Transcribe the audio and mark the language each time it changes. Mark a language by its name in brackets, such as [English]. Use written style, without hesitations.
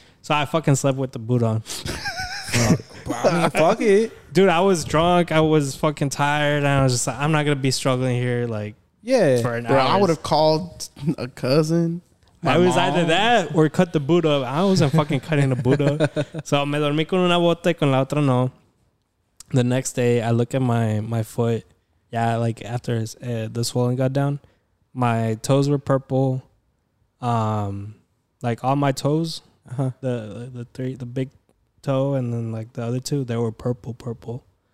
[English] So I fucking slept with the boot on. Fuck it. Dude, I was drunk. I was fucking tired. And I was just like, I'm not going to be struggling here, like, for an hour. Bro, I would have called a cousin. I was either that or cut the boot up. I wasn't fucking cutting the boot up. [Spanish] So, me dormí con una bota y con la otra no. [English] The next day, I look at my foot. Yeah, like, after the swelling got down, my toes were purple. Like, all my toes, the big toe and then, like, the other two, they were purple.